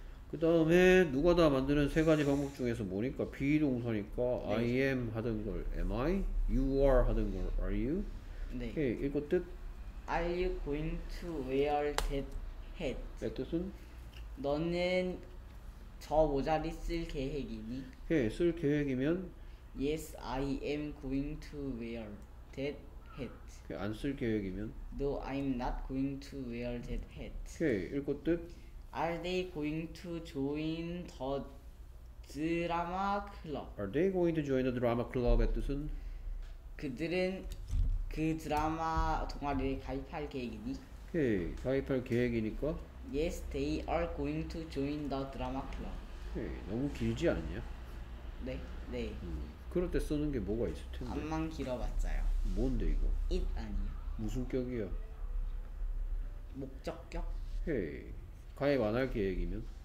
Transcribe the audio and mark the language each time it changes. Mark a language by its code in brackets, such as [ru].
[ko] 그 다음에 누가 다 만드는 세 가지 방법 중에서 뭐니까 be 동사니까 I 네. [en] am [ko] 하던 걸 [en] am I, you are 하던 걸 are you. [ko] 네. 오케이, 이거 뜻? [en] Are you going to wear that hat? [ko] 내 뜻은? 너는 저 모자리 쓸 계획이니? 오케이, 쓸 계획이면? [en] Yes, I am going to wear that hat. [ko] 오케이, 안쓸 계획이면? [en] No, I'm not going to wear that hat. [ko] 오케이, 이거 뜻? [en] Are they going to join the drama club? Are they going to join the drama club? [ko] 의 뜻은? 그들은 그 드라마 동아리에 가입할 계획이니? 오케이, 가입할 계획이니까. [en] Yes, they are going to join the drama club. [ko] 오케이, 너무 길지 않냐? 네. 그럴 때 쓰는 게 뭐가 있을 텐데? 암만 길어봤자요. 뭔데 이거? It 아니요. 무슨 격이야? 목적격? 오케이, 가입 안할 계획이면?